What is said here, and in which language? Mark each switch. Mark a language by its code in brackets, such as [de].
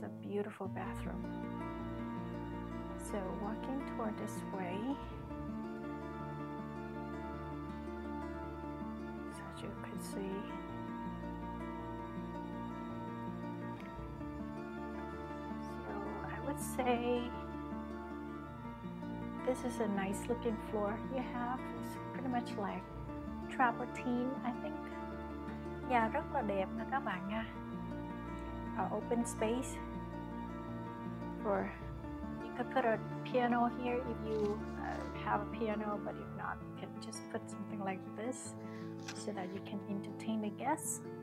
[en] Beautiful bathroom. So walking toward this way, as you can see, would say this is a nice looking floor you have. It's pretty much like travertine, I think. [vi] Nhà rất là đẹp nha các bạn nha. [en] Our open space for you could put a piano here if you have a piano, but if not, you can just put something like this so that you can entertain the guests.